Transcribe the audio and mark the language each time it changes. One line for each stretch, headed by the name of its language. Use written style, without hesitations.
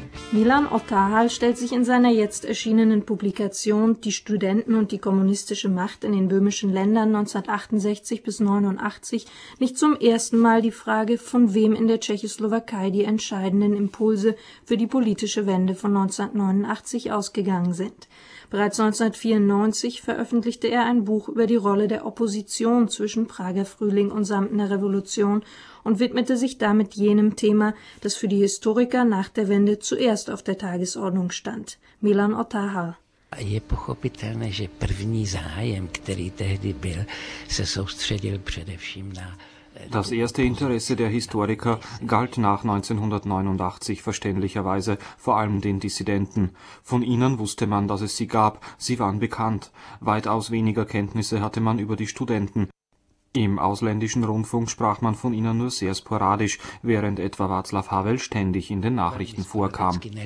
German: Milan Otahal stellt sich in seiner jetzt erschienenen Publikation »Die Studenten und die kommunistische Macht in den böhmischen Ländern 1968 bis 89« nicht zum ersten Mal die Frage, von wem in der Tschechoslowakei die entscheidenden Impulse für die politische Wende von 1989 ausgegangen sind. Bereits 1994 veröffentlichte er ein Buch über die Rolle der Opposition zwischen Prager Frühling und Samtener Revolution und widmete sich damit jenem Thema, das für die Historiker nach der Wende zuerst auf der Tagesordnung stand. Milan Otahal.
Czech: Je pochopitelné, že první zájem, který tehdy byl, se soustředil především na...
German: Das erste Interesse der Historiker galt nach 1989 verständlicherweise vor allem den Dissidenten. Von ihnen wusste man, dass es sie gab, sie waren bekannt. Weitaus weniger Kenntnisse hatte man über die Studenten. Im ausländischen Rundfunk sprach man von ihnen nur sehr sporadisch, während etwa Václav Havel ständig in den Nachrichten vorkam.